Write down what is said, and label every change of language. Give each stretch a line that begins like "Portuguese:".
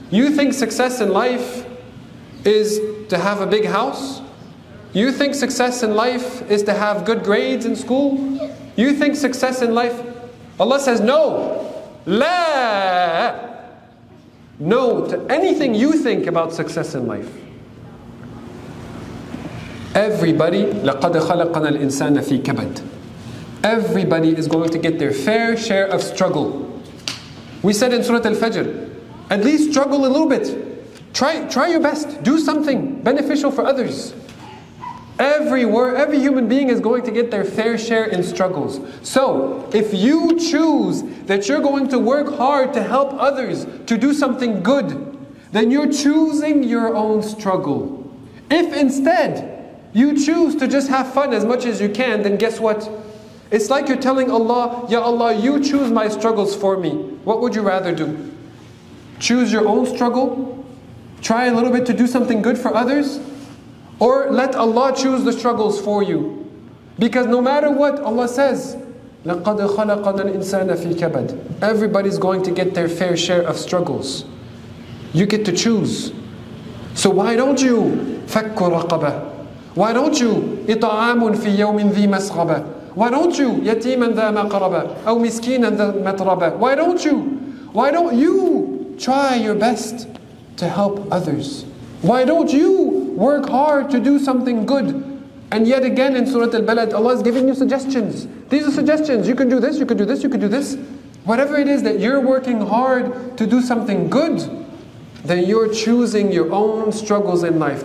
English: You think success in life is to have a big house? You think success in life is to have good grades in school? You think success in life... Allah says no! La! No to anything you think about success in life. Everybody,
Arabic: لَقَدْ خَلَقَنَا الْإِنسَانَ فِي كَبَدٍ.
English: Everybody is going to get their fair share of struggle. We said in Surah Al-Fajr, at least struggle a little bit. Try your best. Do something beneficial for others. Every human being is going to get their fair share in struggles. So, if you choose that you're going to work hard to help others to do something good, then you're choosing your own struggle. If instead You choose to just have fun as much as you can, then guess what? It's like you're telling Allah, Ya Allah, you choose my struggles for me. What would you rather do? Choose your own struggle? Try a little bit to do something good for others? Or let Allah choose the struggles for you? Because no matter what, Allah says,
Arabic: لَقَدْ خَلَقَنَا الْإِنسَانَ فِي كَبَدٍ.
English: Everybody's going to get their fair share of struggles. You get to choose. So why don't you
Arabic: فَكُّ رَقَبَةً.
English: Why don't you
Arabic: إِطَعَامٌ فِي يَوْمٍ ذِي مَسْغَبَةً.
English: Why don't you
Arabic: يَتِيمًا ذَا مَقْرَبَةً أَوْ مِسْكِينًا ذَا مَتْرَبَةً.
English: Why don't you? Why don't you try your best to help others? Why don't you work hard to do something good? And yet again in Surah Al-Balad, Allah is giving you suggestions. These are suggestions. You can do this, you can do this, you can do this. Whatever it is that you're working hard to do something good, then you're choosing your own struggles in life.